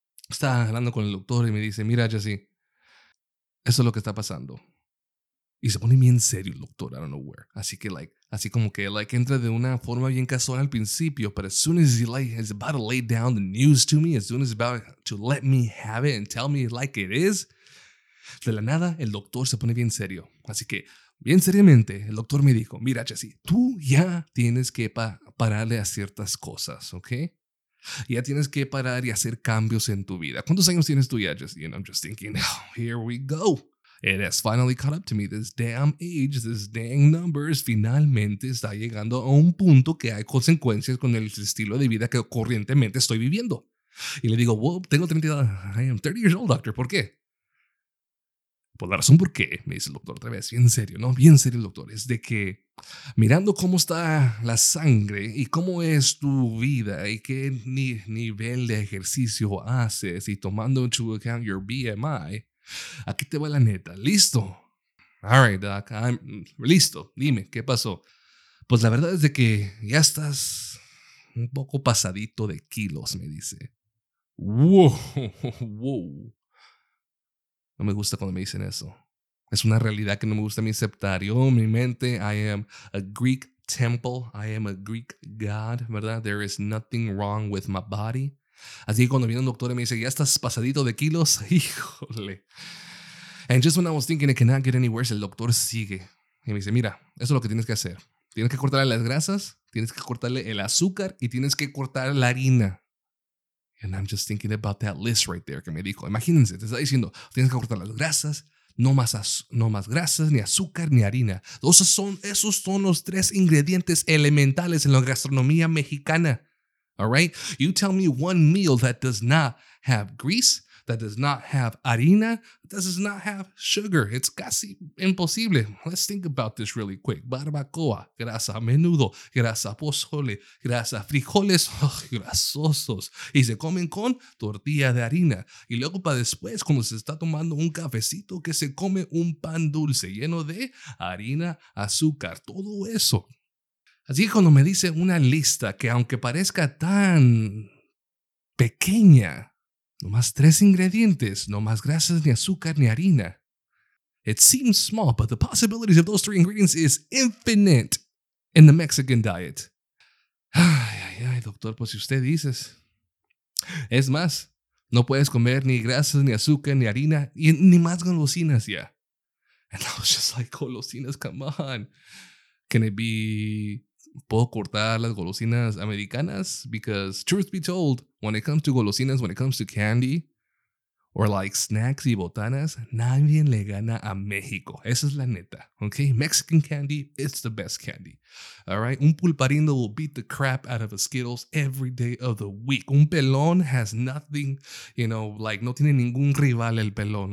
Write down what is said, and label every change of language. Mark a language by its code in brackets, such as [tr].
[es] Estaba hablando con el doctor y me dice, mira, Jesse, eso es lo que está pasando. Y se pone bien serio el doctor, [en] I don't know where. [es] Así que, like, así como que, like, entra de una forma bien casual al principio, [en] but as soon as he, like, is about to lay down the news to me, as soon as he's about to let me have it and tell me like it is, [es] de la nada, el doctor se pone bien serio. Así que, bien seriamente, el doctor me dijo, mira, Jesse, tú ya tienes que pararle a ciertas cosas, ¿ok? Ya tienes que parar y hacer cambios en tu vida. ¿Cuántos años tienes tú ya, Jesse? [en] And I'm just thinking, oh, here we go. It has finally caught up to me. This damn age, this dang numbers, [es] finalmente está llegando a un punto que hay consecuencias con el estilo de vida que corrientemente estoy viviendo. Y le digo, well, tengo 30, [en] I am 30 years old, doctor, [es] ¿por qué? Pues la razón por qué, me dice el doctor otra vez, bien serio, ¿no? Bien serio, doctor, es de que mirando cómo está la sangre y cómo es tu vida y qué nivel de ejercicio haces y tomando [en] into account your BMI, [es] aquí te va la neta. ¿Listo? [en] All right, doc. I'm [es] listo. Dime, ¿qué pasó? Pues la verdad es de que ya estás un poco pasadito de kilos, me dice. Wow, wow. No me gusta cuando me dicen eso. Es una realidad que no me gusta a mí aceptar. Yo, mi mente, [en] I am a Greek temple. I am a Greek god, ¿verdad? There is nothing wrong with my body. [es] Así que cuando viene un doctor y me dice, ya estás pasadito de kilos, híjole. [en] And just when I was thinking it cannot get any worse, [es] el doctor sigue. Y me dice, mira, eso es lo que tienes que hacer. Tienes que cortarle las grasas, tienes que cortarle el azúcar y tienes que cortar la harina. [en] And I'm just thinking about that list right there [es] que me dijo. Imagínense, te está diciendo, tienes que cortar las grasas, no más grasas, ni azúcar, ni harina. Esos son los tres ingredientes elementales en la gastronomía mexicana. [en] All right, you tell me one meal that does not have grease, that does not have harina, that does not have sugar. It's [es] casi imposible. [en] Let's think about this really quick. [es] Barbacoa, grasa menudo, grasa pozole, grasa frijoles, oh, grasosos. Y se comen con tortilla de harina. Y luego para después, cuando se está tomando un cafecito, que se come un pan dulce lleno de harina, azúcar, todo eso. Así que cuando me dice una lista que aunque parezca tan pequeña, no más tres ingredientes, no más grasas, ni azúcar, ni harina. [en] It seems small, but the possibilities of those three ingredients is infinite in the Mexican diet. [es] Ay, ay, ay, doctor, pues si usted dice. Es más, no puedes comer ni grasas, ni azúcar, ni harina, ni más golosinas ya. [en] And I was just like, golosinas, come on. Can it be... [es] ¿Puedo cortar las golosinas americanas? [en] Because truth be told, when it comes to golosinas, when it comes to candy, or like snacks [es] y botanas, nadie le gana a México. Esa es la neta. [en] Okay, Mexican candy, it's the best candy. All right, un pulparindo will beat the crap out of a Skittles every day of the week. [es] Un pelón [en] has nothing, you know, like [es] no tiene ningún rival el pelón.